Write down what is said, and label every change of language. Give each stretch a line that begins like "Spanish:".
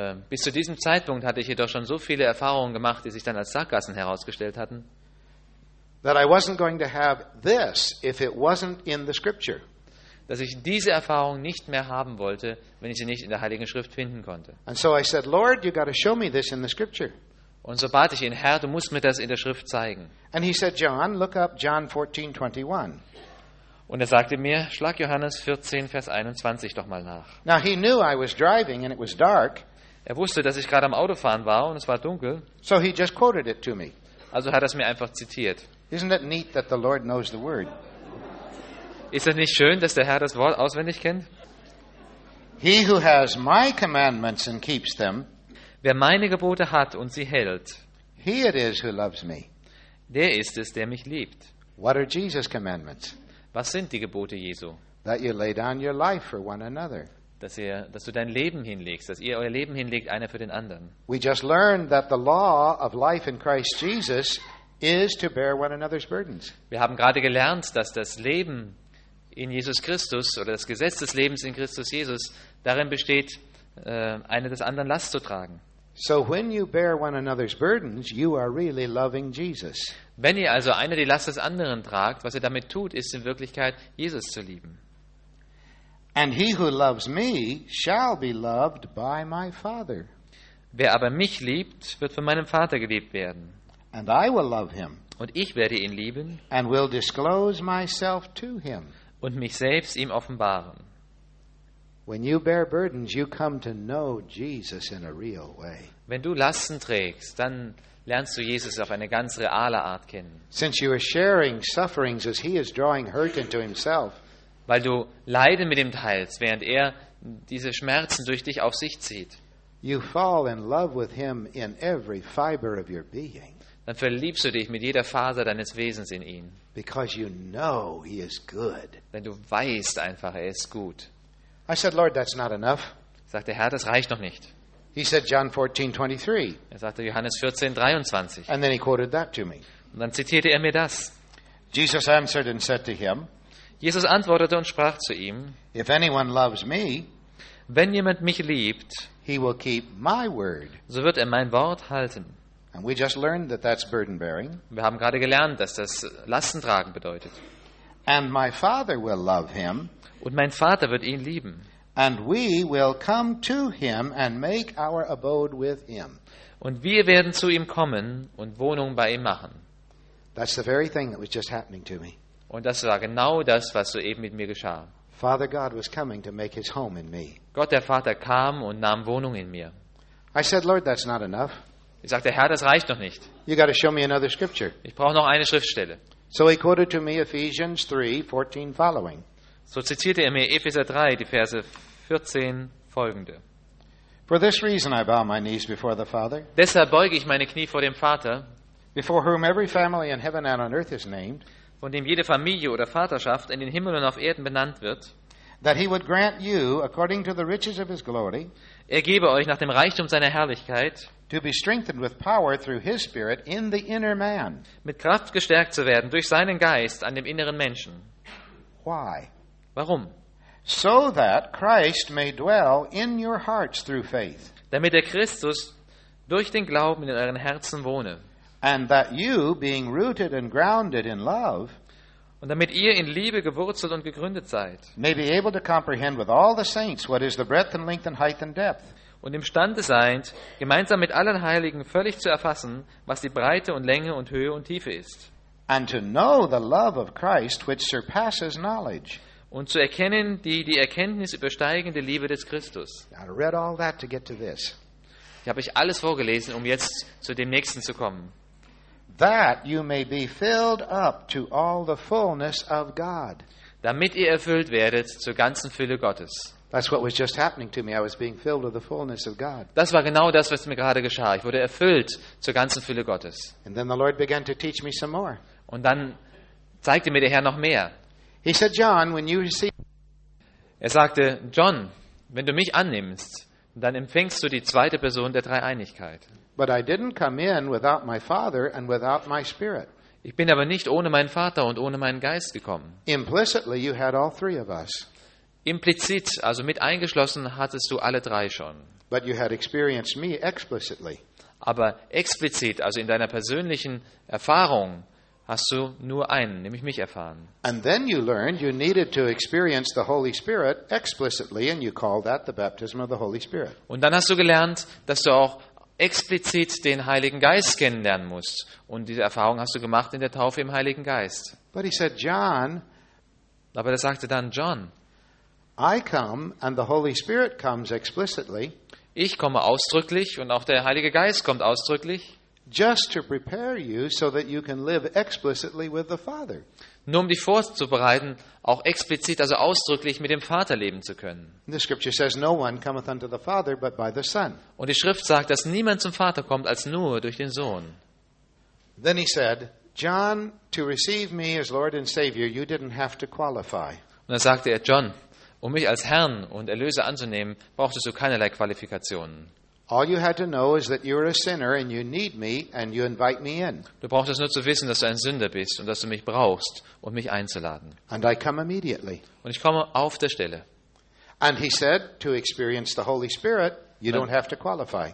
German: Bis zu diesem Zeitpunkt hatte ich jedoch schon so viele Erfahrungen gemacht, die sich dann als Sackgassen herausgestellt hatten, dass ich diese Erfahrung nicht mehr haben wollte, wenn ich sie nicht in der Heiligen Schrift finden konnte. Und so bat ich ihn, Herr, du musst mir das in der Schrift zeigen.
English: And he said, John, look up John 14:21.
German: Und er sagte mir, schlag Johannes 14, Vers 21 doch mal nach.
English: Now he knew I was driving and it was dark.
German: Er wusste, dass ich gerade am Autofahren war und es war dunkel.
English: So he just quoted it to me.
German: Also hat er es mir einfach zitiert.
English: Isn't it neat that the Lord knows the word?
German: Ist es nicht schön, dass der Herr das Wort auswendig kennt?
English: He who has my commandments and keeps them,
German: wer meine Gebote hat und sie hält,
English: he it is who loves me.
German: Der ist es, der mich liebt.
English: What are Jesus' commandments?
German: Was sind die Gebote Jesu?
English: That you lay down your life for one another.
German: Dass du dein Leben hinlegst, dass ihr euer Leben hinlegt, einer für den anderen.
English: We just learned that the law of life in Christ Jesus is to bear one another's burdens.
German: Wir haben gerade gelernt, dass das Leben in Jesus Christus oder das Gesetz des Lebens in Christus Jesus darin besteht, eine des anderen Last zu tragen.
English: So when you bear one another's burdens, you are really loving Jesus.
German: Wenn ihr also einer die Last des anderen tragt, was ihr damit tut, ist in Wirklichkeit Jesus zu lieben.
English: And he who loves me shall be loved by my Father.
German: Wer aber mich liebt, wird von meinem Vater geliebt werden.
English: And I will love him.
German: Und ich werde ihn lieben.
English: And will disclose myself to him.
German: Und mich selbst ihm offenbaren.
English: When you bear burdens, you come to know Jesus in a real way.
German: Wenn du Lasten trägst, dann lernst du Jesus auf eine ganz reale Art kennen.
English: Since you are sharing sufferings as he is drawing hurt into himself,
German: weil du Leiden mit ihm teilst, während er diese Schmerzen durch dich auf sich zieht,
English: you fall in love with him in every fiber of your being.
German: Dann verliebst du dich mit jeder Faser deines Wesens in ihn.
English: Because you know he is good.
German: Denn du weißt einfach, er ist gut.
English: I said, Lord, that's not enough.
German: Sagt der Herr, das reicht noch nicht.
English: He said, John 14, 23.
German: Er sagte Johannes 14, 23.
English: And then he quoted that to me.
German: Und dann zitierte er mir das.
English: Jesus answered and said to him,
German: Jesus antwortete und sprach zu ihm,
English: if anyone loves me,
German: wenn jemand mich liebt,
English: he will keep my word.
German: So wird er mein Wort halten.
English: And we just learned that that's burden bearing.
German: Wir haben gerade gelernt, dass das Lastentragen bedeutet.
English: And my Father will love him.
German: Und mein Vater wird ihn lieben.
English: And we will come to him and make our abode with him.
German: Und wir werden zu ihm kommen und Wohnung bei ihm machen.
English: That's the very thing that was just happening to me.
German: Und das war genau das, was soeben mit mir geschah.
English: Father God was coming to make his home in me.
German: Gott der Vater kam und nahm Wohnung in mir.
English: I said, Lord, that's not enough.
German: Ich sagte, Herr, das reicht noch nicht.
English: You got to show me another scripture.
German: Ich brauche noch eine Schriftstelle.
English: So he quoted to me Ephesians 3, 14 following.
German: So zitierte er mir Epheser 3, die Verse 14 folgende.
English: For this reason I bow my knees before the Father.
German: Deshalb beuge ich meine Knie vor dem Vater.
English: Before whom every family in heaven and on earth is named.
German: Von dem jede Familie oder Vaterschaft in den Himmeln und auf Erden benannt wird.
English: That he would grant you according to the riches of his glory.
German: Er gebe euch nach dem Reichtum seiner Herrlichkeit,
English: to be strengthened with power through his spirit in the inner man,
German: mit Kraft gestärkt zu werden durch seinen Geist an dem inneren Menschen.
English: Why?
German: Warum?
English: So that Christ may dwell in your hearts through faith.
German: Damit der Christus durch den Glauben in euren Herzen wohne.
English: And that you, being rooted and grounded in love,
German: und damit ihr in Liebe gewurzelt und gegründet seid,
English: may be able to comprehend with all the saints what is the breadth and length and height and depth,
German: und imstande seid, gemeinsam mit allen Heiligen völlig zu erfassen, was die Breite und Länge und Höhe und Tiefe ist,
English: and to know the love of Christ which surpasses knowledge,
German: und zu erkennen die Erkenntnis übersteigende Liebe des Christus.
English: I read all that to get to this.
German: Ich habe euch alles vorgelesen, um jetzt zu dem nächsten zu kommen.
English: That you may be filled up to all the fullness of God.
German: Damit ihr erfüllt werdet zur ganzen Fülle Gottes.
English: That's what was just happening to me. I was being filled with the fullness of God.
German: Das war genau das, was mir gerade geschah. Ich wurde erfüllt zur ganzen Fülle Gottes.
English: And then the Lord began to teach me some more.
German: Und dann zeigte mir der Herr noch mehr.
English: He said, John, when you receive.
German: Er sagte, John, wenn du mich annimmst, dann empfängst du die zweite Person der Dreieinigkeit.
English: But I didn't come in without my Father and without my Spirit.
German: Ich bin aber nicht ohne meinen Vater und ohne meinen Geist gekommen.
English: Implicitly you had all three of us.
German: Implizit, also mit eingeschlossen, hattest du alle drei schon.
English: But you had experienced me explicitly.
German: Aber explizit, also in deiner persönlichen Erfahrung, hast du nur einen, nämlich mich, erfahren.
English: And then you learned you needed to experience the Holy Spirit explicitly, and you call that the baptism of the Holy Spirit.
German: Und dann hast du gelernt, dass du auch explizit den Heiligen Geist kennenlernen musst. Und diese Erfahrung hast du gemacht in der Taufe im Heiligen Geist.
English: But he said, John,
German: Aber er sagte dann, John,
English: I come and the Holy Spirit comes explicitly.
German: Ich komme ausdrücklich und auch der Heilige Geist kommt ausdrücklich.
English: Just to prepare you so that you can live explicitly with the Father.
German: Nur um dich vorzubereiten, auch explizit, also ausdrücklich mit dem Vater leben zu können.
English: The scripture says no one cometh unto the Father but by the Son.
German: Und die Schrift sagt, dass niemand zum Vater kommt als nur durch den Sohn.
English: Then he said, John, to receive me as Lord and Savior, you didn't have to qualify.
German: Und dann sagte er, John, um mich als Herrn und Erlöser anzunehmen, brauchtest du keinerlei Qualifikationen.
English: All you had to know is that you're a sinner and you need me and you invite me in.
German: Du brauchst nur zu wissen, dass du ein Sünder bist und dass du mich brauchst, um mich einzuladen.
English: And I come immediately.
German: Und ich komme auf der Stelle.
English: And he said, to experience the Holy Spirit, you don't have to qualify.